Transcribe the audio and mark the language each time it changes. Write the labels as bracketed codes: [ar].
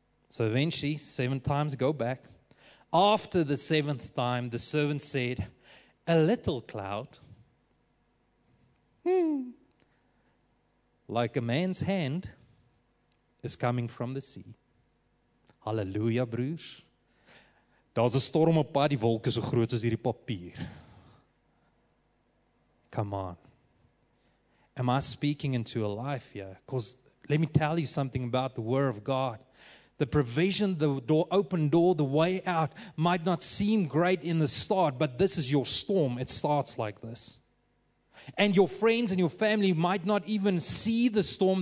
[en] So eventually, 7 times go back. After the 7th time, the servant said, "A little cloud, like a man's hand, is coming from the sea." [af] Hallelujah, broers. Daar's 'n storm op pad, die wolke so groot soos hierdie papier. [en] Come on. Am I speaking into a life here? Because let me tell you something about the Word of God. The provision, the door, open door, the way out might not seem great in the start, but this is your storm. It starts like this. And your friends and your family might not even see the storm.